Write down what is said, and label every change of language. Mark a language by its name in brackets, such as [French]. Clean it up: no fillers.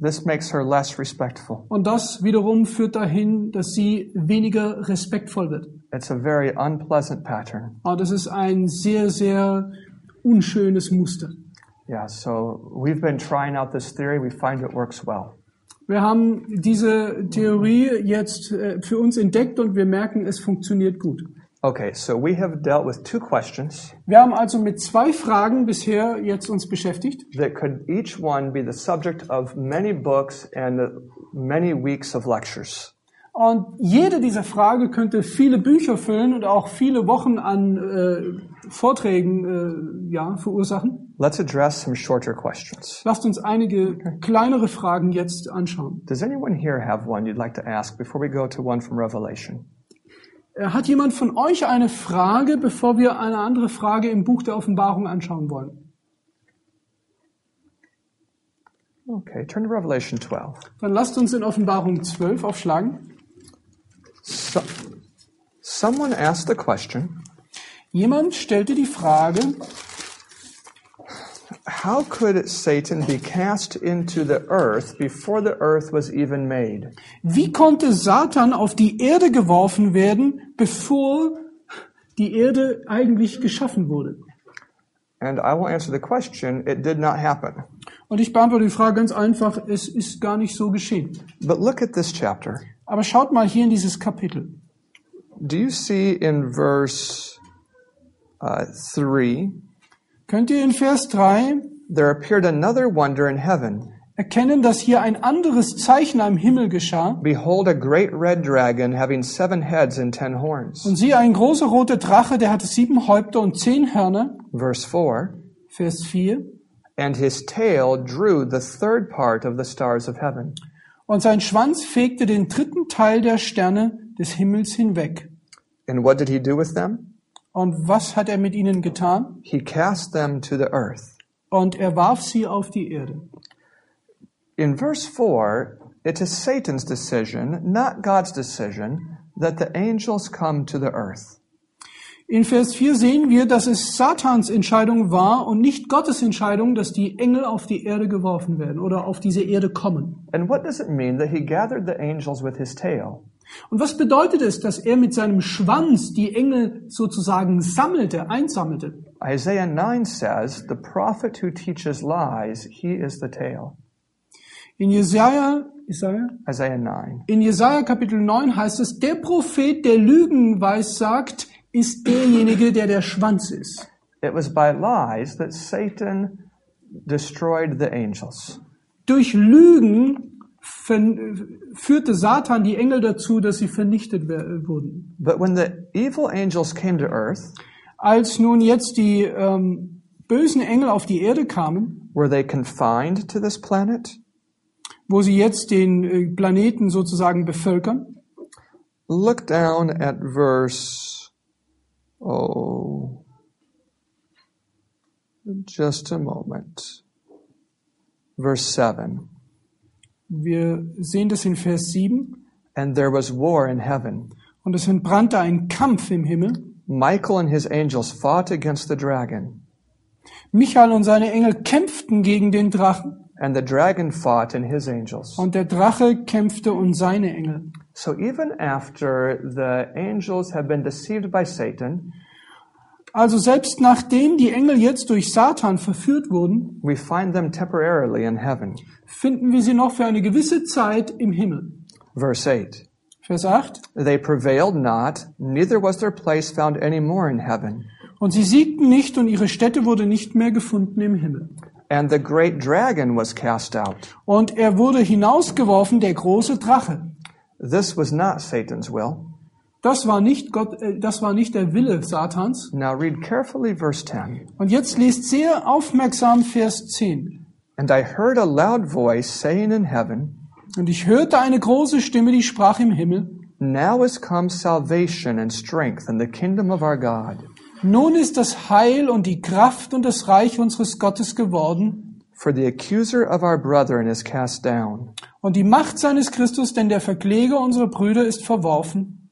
[English] This makes her less respectful. [German] Und das wiederum führt dahin, dass sie weniger respektvoll wird. [English] It's a very unpleasant pattern. [German] Und das ist ein sehr, sehr unschönes Muster. [English] Yeah, so we've been trying out this theory. We find it works well. [German] Wir haben diese Theorie jetzt für uns entdeckt und wir merken, es funktioniert gut. [English] Okay, so we have dealt with 2 questions. [German] Wir haben also mit 2 Fragen bisher jetzt uns beschäftigt. [English] That could each one be the subject of many books and many weeks of lectures. [German] Und jede dieser Frage könnte viele Bücher füllen und auch viele Wochen an Vorträgen verursachen. [English] Let's address some shorter questions. [German] Lasst uns einige kleinere Fragen jetzt anschauen. [English] Does anyone here have one you'd like to ask before we go to one from Revelation? [German] Hat jemand von euch eine Frage, bevor wir eine andere Frage im Buch der Offenbarung anschauen wollen? [English] Okay, turn to Revelation 12. [German] Dann lasst uns in Offenbarung 12 aufschlagen. [English] So, someone asked the question. [German] Jemand stellte die Frage. [English] How could Satan be cast into the earth before the earth was even made? [German] Wie konnte Satan auf die Erde geworfen werden, bevor die Erde eigentlich geschaffen wurde? [English] And I will answer the question, it did not happen. [German] Und ich beantworte die Frage ganz einfach, es ist gar nicht so geschehen. [English] But look at this chapter. [German] Aber schaut mal hier in dieses Kapitel. [English] Do you see in verse 3? [German] Könnt ihr in Vers 3 [English] there appeared another wonder in heaven. [German] Erkennen, dass hier ein anderes Zeichen am Himmel geschah? [English] Behold a great red dragon having 7 heads and 10 horns. [German] Und siehe, ein großer roter Drache, der hatte 7 Häupter und 10 Hörner. [English] Verse 4. [German] Vers 4. [English] And his tail drew the third part of the stars of heaven. [German] Und sein Schwanz fegte den dritten Teil der Sterne des Himmels hinweg. [English] And what did he do with them? [German] Und was hat er mit ihnen getan? [English] He cast them to the earth. [German] Und er warf sie auf die Erde. [English] In verse 4, it is Satan's decision, not God's decision, that the angels come to the earth. [German] In Vers 4 sehen wir, dass es Satans Entscheidung war und nicht Gottes Entscheidung, dass die Engel auf die Erde geworfen werden oder auf diese Erde kommen. [English] And what does it mean that he gathered the angels with his tail? [German] Und was bedeutet es, dass er mit seinem Schwanz die Engel sozusagen sammelte, einsammelte? [English] Isaiah 9 says, the prophet who teaches lies, he is the tail. [German] In Jesaja Kapitel 9 heißt es, der Prophet, der Lügen weissagt, ist derjenige, der der Schwanz ist. [English] It was by lies that Satan destroyed the angels. [German] Durch Lügen führte Satan die Engel dazu, dass sie vernichtet wurden. [English] But when the evil angels came to earth, [German] als nun jetzt die bösen Engel auf die Erde kamen, [English] were they confined to this planet? [German] Wo sie jetzt den Planeten sozusagen bevölkern? [English] Look down at verse 7. [German] Wir sehen das in Vers 7. [English] And there was war in heaven. [German] Und es entbrannte ein Kampf im Himmel. [English] Michael and his angels fought against the dragon. [German] Michael und seine Engel kämpften gegen den Drachen. [English] And the dragon fought and his angels. [German] Und der Drache kämpfte und seine Engel. [English] So even after the angels have been deceived by Satan, [German] also selbst nachdem die Engel jetzt durch Satan verführt wurden, [English] we find them temporarily in heaven. [German] Finden wir sie noch für eine gewisse Zeit im Himmel. [English] Verse 8. [German] Vers 8. [English] They prevailed not, neither was their place found any more in heaven. [German] Und sie siegten nicht und ihre Stätte wurde nicht mehr gefunden im Himmel. [English] And the great dragon was cast out. [German] Und er wurde hinausgeworfen, der große Drache. [English] This was not Satan's will. [German] Das war nicht der Wille Satans. [English] Now read carefully verse 10. [German] Und jetzt lest sehr aufmerksam Vers 10. [English] And I heard a loud voice saying in heaven. [German] Und ich hörte eine große Stimme, die sprach im Himmel. [English] Now is come salvation and strength and the kingdom of our God. [German] Nun ist das Heil und die Kraft und das Reich unseres Gottes geworden. [English] For the accuser of our brethren is cast down. [German] Und die Macht seines Christus, denn der Verkläger unserer Brüder ist verworfen.